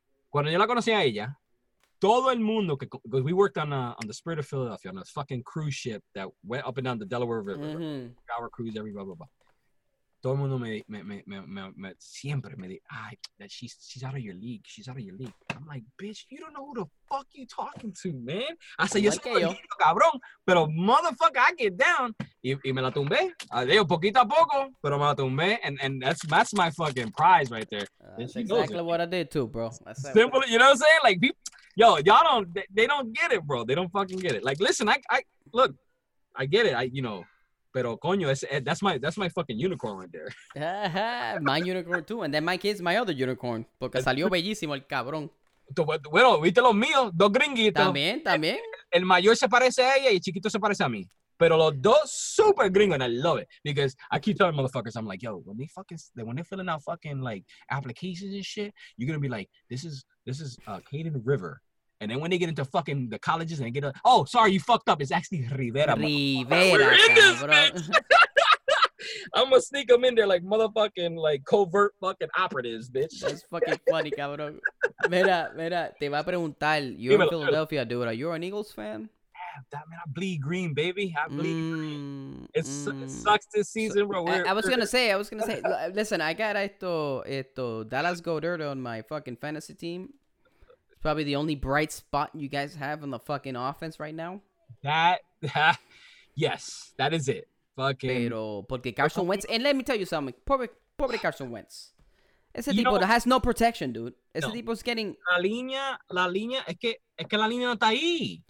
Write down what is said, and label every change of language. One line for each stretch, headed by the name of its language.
Spanish: Cuando yo la conocí a ella, todo el mundo,
English: because we worked on the Spirit of Philadelphia, on a fucking cruise ship that went up and down the Delaware River. Mm-hmm. Our cruise, every blah, blah, blah.
Spanish: Todo el mundo me siempre me dice, ay,
English: that she's out of your league. She's out of your league. I'm like, bitch, you don't know who the fuck you talking to, man. I said,
Spanish: yo soy bonito, cabrón, pero
English: motherfucker, I get down.
Spanish: Y me la tumbé. Adiós, poquito a poco, pero me la tumbé.
English: And that's my fucking prize right there. That's exactly what I did too, bro. Simple, you know what I'm saying? Like, y'all don't, they don't get it, bro. They don't fucking get it. Like, listen, I get it. I, you know.
Spanish: Pero coño,
English: that's my fucking unicorn right there. My unicorn too, and then my kid's my other unicorn,
Spanish: porque salió bellísimo el cabrón. Bueno, viste los míos, dos gringuitos. También, también. El mayor se parece a ella y el chiquito se parece a mí. Pero los dos super gringos,
English: and I love it because I keep telling motherfuckers, I'm like, yo, when they're filling out fucking like applications and shit, you're gonna be like, this is Caden River. And then when they get into fucking the colleges and get a, oh, sorry, you fucked up. It's actually Rivera. Rivera, we're in this, bitch. I'm going to sneak them in there like motherfucking, like covert fucking operatives, bitch. That's fucking funny, cabrón.
Spanish: Mira, te va a preguntar,
English: you're in Philadelphia, dude. Are you an Eagles fan? Damn, man, I bleed green, baby. I bleed green. It sucks this season, bro. I was going to say, listen, I got esto Dallas Goedert on my fucking fantasy team. Probably the only bright spot you guys have on the fucking offense right now. Yes, that is it. Fucking.
Spanish: Pero porque
English: Carson Wentz, and let me tell you something.
Spanish: Pobre
English: Carson Wentz.
Spanish: Ese tipo
English: that has no protection, dude. Ese tipo's getting.
Spanish: La línea, es que la línea no está ahí.